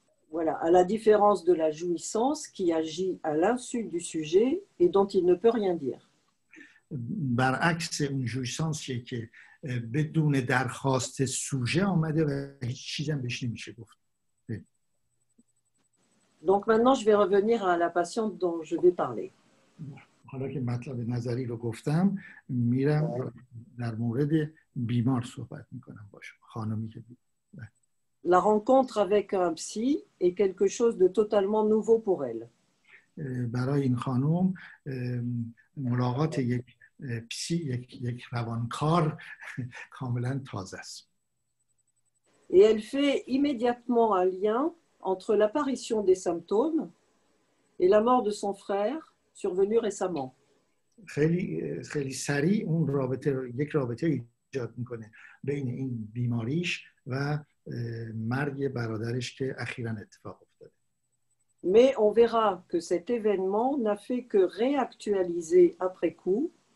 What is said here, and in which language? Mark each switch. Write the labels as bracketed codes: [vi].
[fr] Voilà, à la différence de la jouissance qui agit à l'insu du sujet et dont il ne peut rien dire. [fa] برعکس اون جویسانسیه که بدون درخواست سوژه آمده و هیچ چیزی هم بهش نمیشه گفت. [fr] Donc maintenant je vais revenir à la patiente dont je vais parler. [fa] حالا که مطلب نظری رو گفتم میرم در مورد بیمار صحبت میکنم با شما خانمی که [fr] La rencontre avec un psy est quelque chose de totalement nouveau pour elle. [fa] برای این خانم ملاقات یک پسی یک روانکار کاملا تازه است. [fr] Et elle fait immédiatement un lien entre l'apparition des symptômes et la mort de son frère survenue récemment. [fa] خیلی سریع اون رابطه یک رابطه ایجاد میکنه بین این بیماریش و مرگ برادرش که اخیرا اتفاق افتاده. [fr] Mais on verra que cet événement n'a fait que réactualiser après coup.